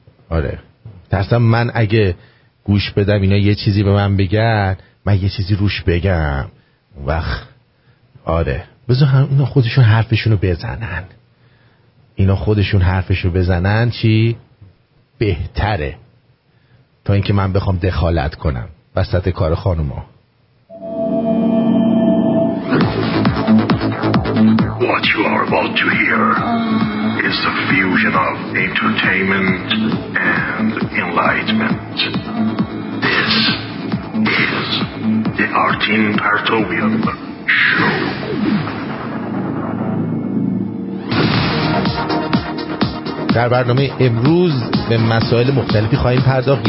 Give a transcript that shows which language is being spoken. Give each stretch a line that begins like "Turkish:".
Persian: آره، ترسم من اگه گوش بدم اینا یه چیزی به من بگن، من یه چیزی روش بگم، وقت آره بذار اینا خودشون حرفشونو بزنن، اینا خودشون حرفشو بزنن چی بهتره تا اینکه من بخوام دخالت کنم وسط کار خانوما.
English: What you are about to hear is the fusion of entertainment and enlightenment. This is the Artin Partovian Show.
Persian: در برنامه امروز به مسائل مختلفی خواهیم پرداخت.